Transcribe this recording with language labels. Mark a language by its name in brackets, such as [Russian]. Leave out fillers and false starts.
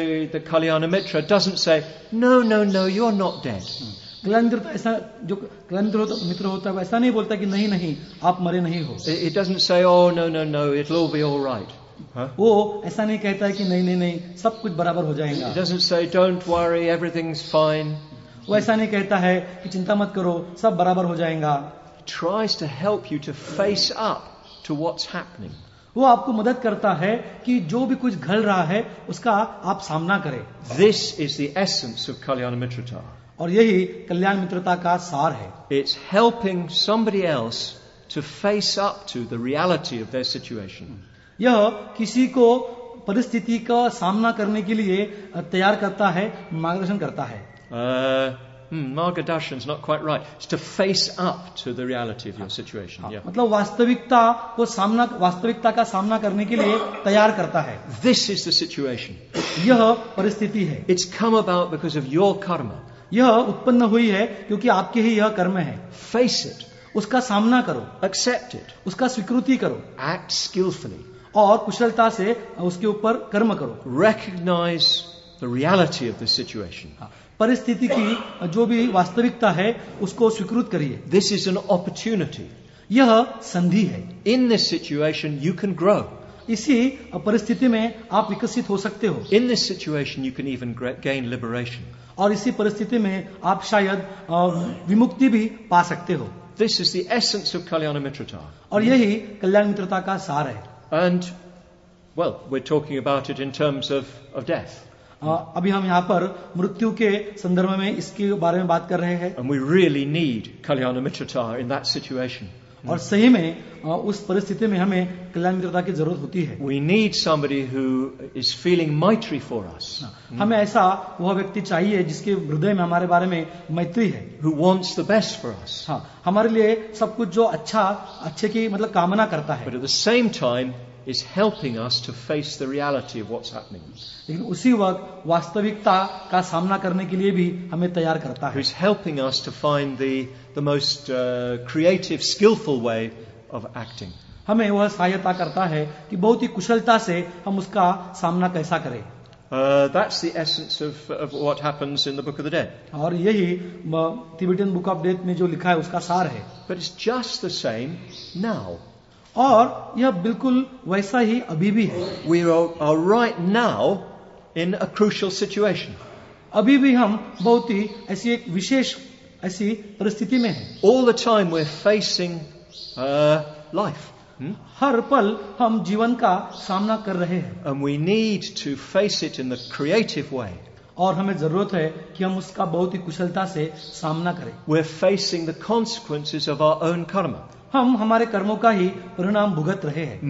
[English] The kalyana mitra doesn't say, no, you're not dead. [Hindi] मित्र होता है ऐसा नहीं बोलता कि नहीं नहीं आप मरे नहीं हो. [English] It doesn't say, oh, no, it'll all be all right. [Hindi] वो ऐसा नहीं कहता है कि नहीं नहीं नहीं सब कुछ बराबर हो जाएगा. [English] It doesn't say, don't worry, everything's fine. [Hindi] वो ऐसा नहीं कहता है कि चिंता मत करो सब बराबर हो जाएगा. [English] It tries to help you to face up to what's happening. [Hindi] वो आपको मदद करता है कि जो भी कुछ घल रहा है उसका आप सामना करें. [English] This is the essence of kalyana mitrata. [Hindi] और यही कल्याण मित्रता का सार है. [English] It's helping somebody else to face up to the reality of their situation. [Hindi] यह किसी को परिस्थिति का सामना करने के लिए तैयार करता है, मार्गदर्शन करता है. [English] Margadarshan is not quite right. It's to face up to the reality of your situation. Yeah. This is the situation. It's come about because of your karma. Face it. [Hindi] उसका सामना करो. [English] Accept it. [Hindi] उसका स्वीकृति करो. [English] Act skillfully. [Hindi] और कुशलता से उसके ऊपर कर्म करो. [English] Recognize the reality of the situation. [Hindi] परिस्थिति की जो भी वास्तविकता है उसको स्वीकृत करिए. [English] This is an opportunity. [Hindi] यह संधि है. [English] In this situation you can grow. [Hindi] इसी परिस्थिति में आप विकसित हो सकते हो. [English] In this situation you can even gain liberation. [Hindi] और इसी परिस्थिति में आप शायद विमुक्ति भी पा सकते हो. [English] This is the essence of Kalyanamitrata. [Hindi] और यही कल्याण मित्रता का सार है. [English] And well, we're talking about it in terms of death. [Hindi] अभी हम यहाँ पर मृत्यु के संदर्भ में इसके बारे में बात कर रहे हैं. [English] And we really need Kalyanamitrata in that situation. [Hindi] और सही में उस परिस्थिति में हमें कल्याण मित्रता की जरूरत होती है. [English] We need somebody who is feeling maitri for us. [Hindi] हमें ऐसा वह व्यक्ति चाहिए जिसके हृदय में हमारे बारे में मैत्री है. [English] Who wants the best for us. [Hindi] हमारे लिए सब कुछ जो अच्छे की मतलब कामना करता है. [English] But at the same time is helping us to face the reality of what's happening. [Hindi] लेकिन उसी वक्त वास्तविकता का सामना करने के लिए भी हमें तैयार करता है. [English] Who's helping us to find the most creative, skillful way of acting. [Hindi] हमें वह सहायता करता है कि बहुत ही कुशलता से हम उसका सामना कैसा करें. [English] That's the essence of what happens in the Book of the Dead. [Hindi] और यही तिब्बतीयन Book of Death में जो लिखा है उसका सार है. [English] But it's just the same now. [Hindi] और यह बिल्कुल वैसा ही अभी भी है. [English] We are right now in a crucial situation. [Hindi] अभी भी हम बहुत ही ऐसी एक विशेष ऐसी परिस्थिति में हैं. [English] All the time we're facing life. [Hindi] हर पल हम जीवन का सामना कर रहे हैं. [English] And we need to face it in the creative way. [Hindi] और हमें जरूरत है कि हम उसका बहुत ही कुशलता से सामना करें. [English] We're facing the consequences of our own karma. [Hindi] हम हमारे कर्मों का ही परिणाम भुगत रहे हैं.